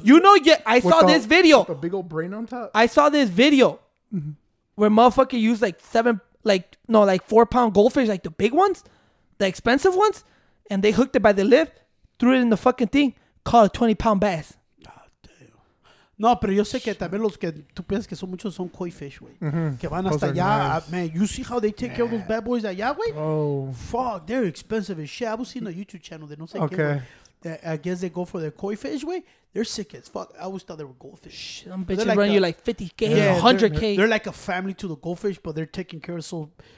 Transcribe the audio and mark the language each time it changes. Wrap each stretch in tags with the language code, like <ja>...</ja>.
<en>You know, yeah, I saw this video. The big old brain on top. I saw this video. Mm-hmm. Where motherfucker used like 4 pound goldfish, like the big ones, the expensive ones, and they hooked it by the lip, threw it in the fucking thing, caught a 20 pound bass.</en> <es>No, pero yo sé que también los que tú piensas que son muchos son koi fish, güey. Mm-hmm. Que van hasta allá. Nice.</es> <en>Man, you see how they take care of those bad boys allá, güey? Oh. Fuck, they're expensive as shit. I was seeing a YouTube channel that</en> <es>no sé qué,</es> <en>I guess they go for their koi fish, güey. They're sick as fuck. I always thought they were goldfish. Some bitches like run you like 50K, yeah, 100K. They're like a family to the goldfish, but they're taking care of so...</en>